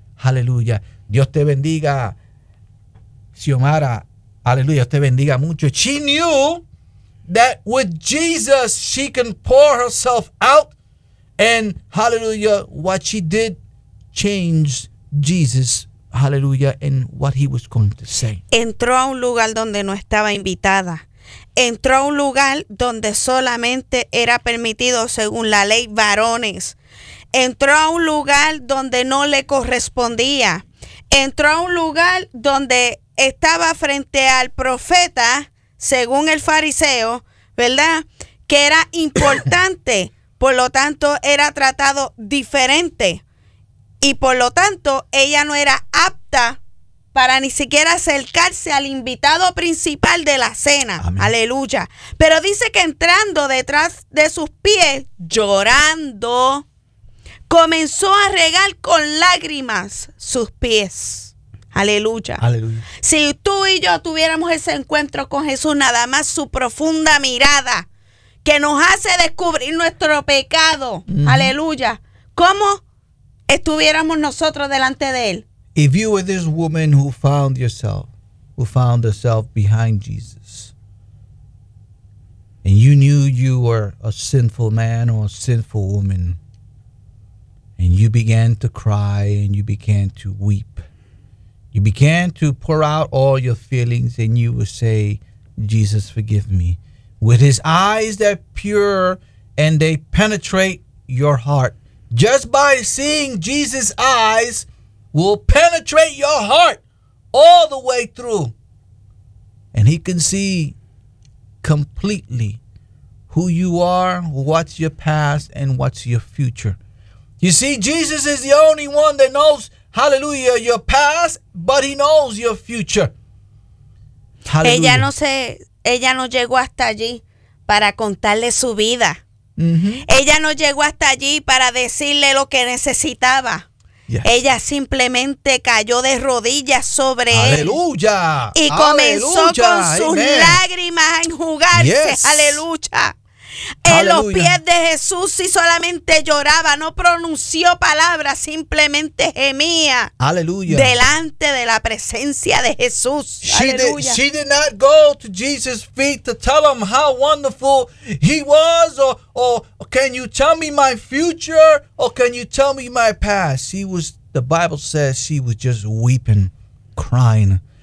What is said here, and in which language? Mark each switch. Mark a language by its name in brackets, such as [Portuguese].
[Spanish] Hallelujah. Dios te bendiga, Xiomara. Hallelujah. Dios te bendiga mucho. [English] She knew that with Jesus, she can pour herself out. And hallelujah, what she did changed Jesus, hallelujah, in what he was going to say. [Spanish] Entró a un lugar donde no estaba invitada. Entró a un lugar donde solamente era permitido, según la ley, varones. Entró a un lugar donde no le correspondía. Entró a un lugar donde estaba frente al profeta, según el fariseo, ¿verdad? Que era importante, por lo tanto, era tratado diferente. Y por lo tanto, ella no era apta para ni siquiera acercarse al invitado principal de la cena. Amén. Aleluya. Pero dice que entrando detrás de sus pies, llorando, comenzó a regar con lágrimas sus pies. Aleluya. Aleluya. Si tú y yo tuviéramos ese encuentro con Jesús, nada más su profunda mirada que nos hace descubrir nuestro pecado. Mm-hmm. Aleluya. ¿Cómo estuviéramos nosotros delante de él? [English] If you were this woman who found yourself, who found herself behind Jesus, and you knew you were a sinful man or a sinful woman, and you began to cry and you began to weep, you began to pour out all your feelings and you would say, Jesus, forgive me. With his eyes that pure and they penetrate your heart. Just by seeing Jesus' eyes will penetrate your heart all the way through. And he can see completely who you are, what's your past, and what's your future. You see, Jesus is the only one that knows, hallelujah, your past, but he knows your future. Hallelujah. [Spanish] Ella no llegó hasta allí para contarle su vida. Mm-hmm. Ella no llegó hasta allí para decirle lo que necesitaba. [English] Yes. [Spanish] Ella simplemente cayó de rodillas sobre ¡Aleluya! Él. Y comenzó ¡Aleluya! Con sus [English] Amen. [Spanish] Lágrimas a enjugarse. [English] Yes. [Spanish] Aleluya. ¡Aleluya! En los pies de Jesús y solamente lloraba, no pronunció palabras, simplemente gemía. Aleluya. Delante de la presencia de Jesús. [English] She did not go to Jesus' feet to tell him how wonderful he was, or can you tell me my future, or can you tell me my past. She was, the Bible says, she was just weeping, crying.